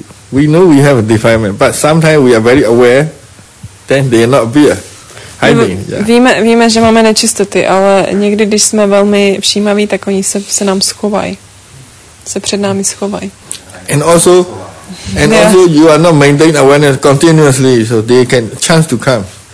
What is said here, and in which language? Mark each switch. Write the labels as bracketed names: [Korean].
[English] We know we have a defilement, but sometimes we are very aware then they are not beer. Hiding. Yeah. [Czech] Víme, že máme nečistoty, ale někdy, když jsme velmi všímaví, tak oni se nám schovají. Se před námi schovají. [English] And also you are not maintaining awareness continuously, so they can chance to come.